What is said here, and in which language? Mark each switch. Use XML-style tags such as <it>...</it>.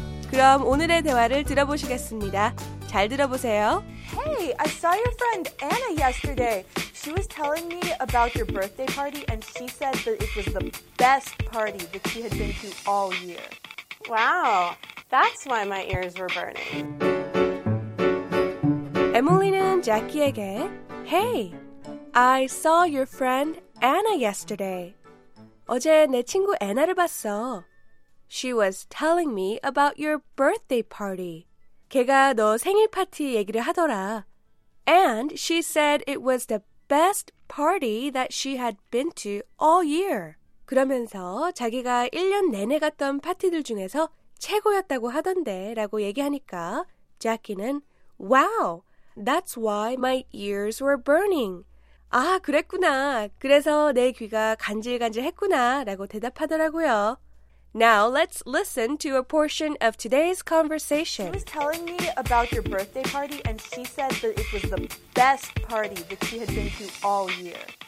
<ko>그럼 오늘의 대화를 들어보시겠습니다. 잘 들어보세요.</ko> <en>Hey, I saw your friend Anna yesterday. She was telling me about your birthday party and she said that it was the best party that she had been to all year. Wow, that's why my ears were burning.</en> <ko>에밀리는 자키에게</ko> <en>Hey, I saw your friend Anna yesterday.</en> <ko>어제 내 친구 애나를 봤어.</ko> <en>She was telling me about your birthday party.</en> <ko>걔가 너 생일 파티 얘기를 하더라.</ko> <en>And she said it was the best party that she had been to all year.</en> <ko>그러면서 자기가 1년 내내 갔던 파티들 중에서 최고였다고 하던데 라고 얘기하니까 자키는</ko> <en>Wow, that's why my ears were burning.</en> <ko>아, 그랬구나. 그래서 내 귀가 간질간질했구나 라고 대답하더라고요.</ko> <en>Now let's listen to a portion of today's conversation. She was telling me about your birthday party and she said that it was the best party that she had been to all year.</en>